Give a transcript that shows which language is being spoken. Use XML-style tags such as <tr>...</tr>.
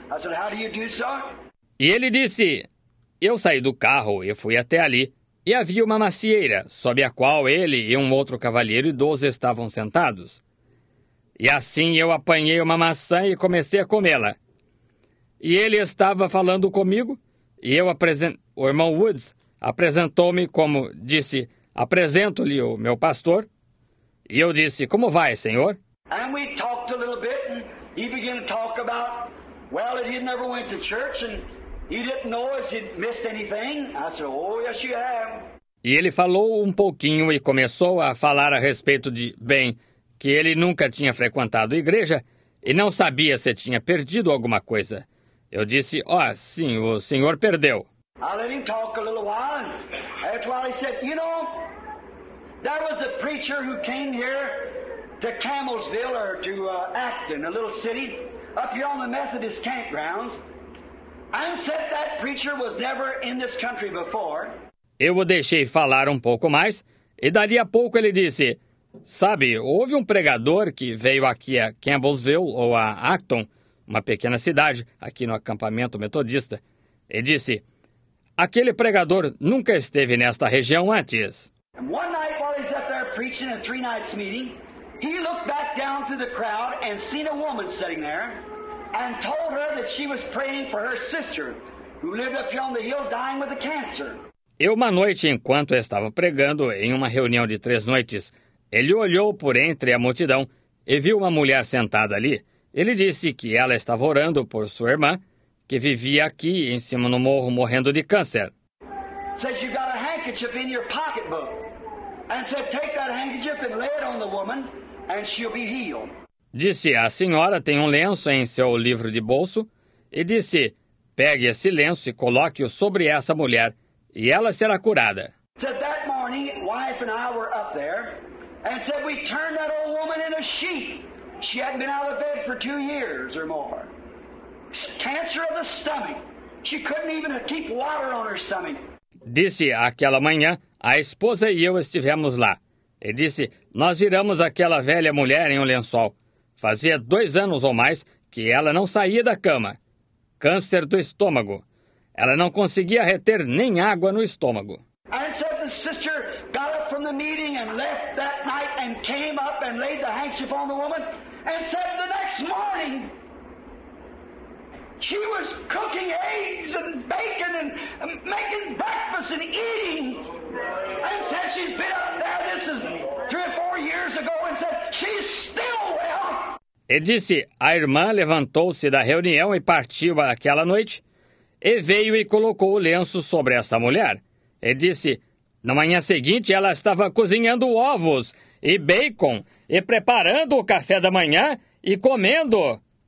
<en>And I said, how do you do, sir?</en> <pt>E ele disse, eu saí do carro e fui até ali, e havia uma macieira, sob a qual ele e um outro cavalheiro idoso estavam sentados. E assim eu apanhei uma maçã e comecei a comê-la. E ele estava falando comigo, e eu o irmão Woods apresentou-me como disse, apresento-lhe o meu pastor. E eu disse, como vai, senhor?</pt> <en>And we talked a little bit, and he began to talk about, well, he never went to church, and he didn't know if he'd missed anything. I said, oh, yes, you have.</en> <pt>E ele falou um pouquinho e começou a falar a respeito de, bem, que ele nunca tinha frequentado a igreja e não sabia se tinha perdido alguma coisa. Eu disse, ó, oh, sim, o senhor perdeu.</pt> <en>I let him talk a little while, and that's why he said, you know, there was a preacher who came here to Camelsville, or to Acton, a little city, up here on the Methodist campgrounds, and said that preacher was never in this country before.</en> <pt>Eu o deixei falar um pouco mais, e dali a pouco ele disse, sabe, houve um pregador que veio aqui a Campbellsville, ou a Acton, uma pequena cidade, aqui no acampamento metodista, e disse, aquele pregador nunca esteve nesta região antes.</pt> <en>One night while he's up there preaching a three nights meeting, he looked back down to the crowd and seen a woman sitting there and told her that she was praying for her sister, who lived up here on the hill dying with a cancer.</en> <pt>E uma noite, enquanto estava pregando em uma reunião de três noites, ele olhou por entre a multidão e viu uma mulher sentada ali. Ele disse que ela estava orando por sua irmã, que vivia aqui em cima no morro morrendo de câncer.</pt> <en>Says you got a handkerchief in your pocketbook, and said take that handkerchief and lay it on the woman, and she'll be healed.</en> <pt>Disse a senhora tem um lenço em seu livro de bolso, e disse pegue esse lenço e coloque-o sobre essa mulher, e ela será curada.</pt> <en>Said that morning, wife and I were up there, and said we turned that old woman in a sheet. She hadn't been out of bed for 2 years or more. Cancer of the stomach. She couldn't even keep water on her stomach.</en> <pt>Disse, aquela manhã, a esposa e eu estivemos lá. E disse, nós viramos aquela velha mulher em um lençol. Fazia 2 anos ou mais que ela não saía da cama. Câncer do estômago. Ela não conseguia reter nem água no estômago.</pt> <en>And said the sister got up from the meeting and left that night and came up and laid the handkerchief on the woman and said the next morning she was cooking eggs and bacon and making breakfast and eating. And said she's been up there, this is 3 or 4 years ago, and said she's still well.</en> <pt>E disse, a irmã levantou-se da reunião e partiu aquela noite e veio e colocou o lenço sobre essa mulher. E disse, na manhã seguinte ela estava cozinhando ovos e bacon e preparando o café da manhã e comendo.</pt>